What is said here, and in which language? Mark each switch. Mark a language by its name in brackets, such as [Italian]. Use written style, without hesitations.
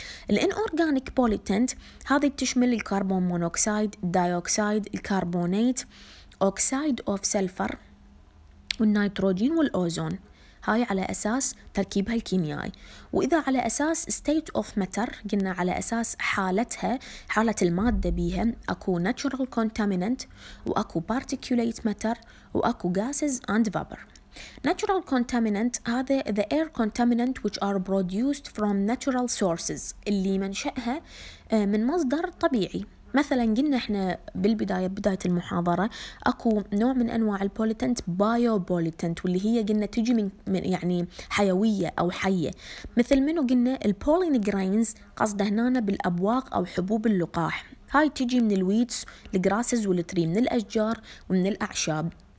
[Arabic] الانأورغانيك بوليتنت هذه تشمل الكربون مونوكسيد، الدايوكسيد، الكربونات، أوكسيد أوف سلفر، والنيتروجين والأوزون. هاي على أساس تركيبها الكيميائي. وإذا على أساس state of matter، قلنا على أساس حالتها، حالة المادة بيها، أكو natural contaminant وأكو particulate matter وأكو [English] gases and vapor. Natural contaminant [Arabic] هذا [English] the air contaminant which are produced from natural sources، [Arabic] اللي منشأها من مصدر طبيعي، مثلا قلنا احنا بالبداية بداية المحاضرة اكو نوع من انواع البوليتنت بايو بوليتنت، واللي هي قلنا تجي من يعني حيوية او حية، مثل منو قلنا البولين جرينز، قصده هنا بالابواق او حبوب اللقاح، هاي تجي من الويتس الجراسز والتري، من الاشجار ومن الاعشاب.